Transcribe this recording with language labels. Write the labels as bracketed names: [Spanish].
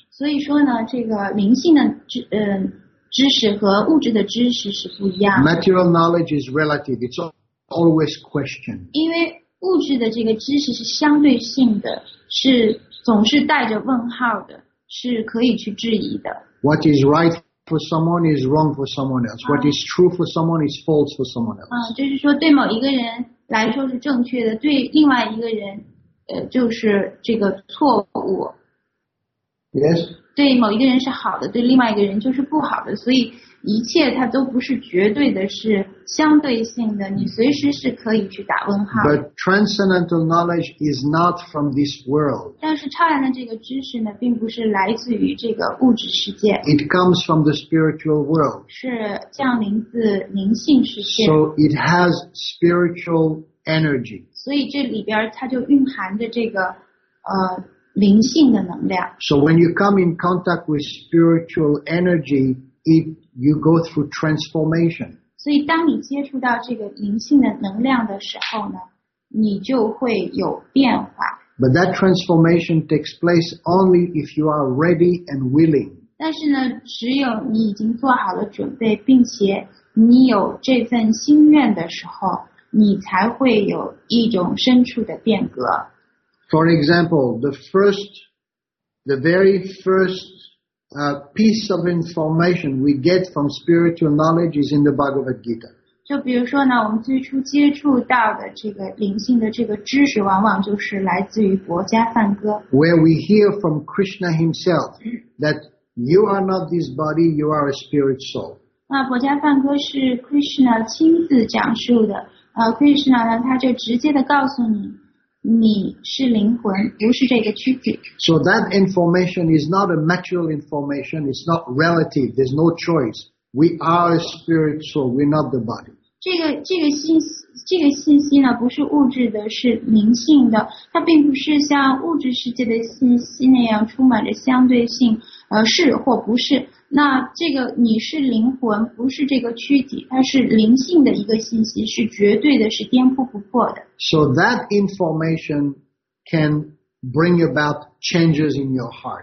[Chinese] 所以说呢，这个灵性的知识和物质的知识是不一样的。 [English] Material knowledge is relative. It's always questioned. [Chinese] 因为物质的这个知识是相对性的，是总是带着问号的，是可以去质疑的。 [English] What is right? For someone is wrong for someone else. What is true for someone is false for someone else. [Chinese] 就是说对某一个人来说是正确的，对另外一个人，就是这个错误。 [English] Yes. [Chinese] 对某一个人是好的，对另外一个人就是不好的。所以一切它都不是绝对的，是相对性的。你随时是可以去打问号。 [English] But transcendental knowledge is not from this world. [Chinese] 但是超然的这个知识呢，并不是来自于这个物质世界。 [English] It comes from the spiritual world. [Chinese] 是降临自灵性世界。 [English] So it has spiritual energy. [Chinese] 所以这里边它就蕴含着这个灵性的能量。 [English] So when you come in contact with spiritual energy, you go through transformation. [Chinese] 所以当你接触到这个灵性的能量的时候呢，你就会有变化。 [English] But that transformation takes place only if you are ready and willing. [Chinese] 但是呢，只有你已经做好了准备，并且你有这份心愿的时候，你才会有一种深处的变革。 [English] For example, the very first piece of information we get from spiritual knowledge is in the Bhagavad Gita. [Chinese] 就比如说呢，我们最初接触到的这个灵性的这个知识，往往就是来自于《国家梵歌》。 [English] Where we hear from Krishna himself that you are not this body, you are a spirit soul. [Chinese] 那《国家梵歌》是 Krishna 亲自讲述的，Krishna 呢，他就直接的告诉你。你是灵魂，不是这个躯体。 [English] So that information is not a material information. It's not relative. There's no choice. We are a spirit soul. We're not the body. [Chinese] 这个信息呢，不是物质的，是灵性的。它并不是像物质世界的信息那样充满着相对性，是或不是。那这个你是灵魂，不是这个躯体，它是灵性的一个信息，是绝对的，是颠扑不破的。 [English] So that information can bring about changes in your heart.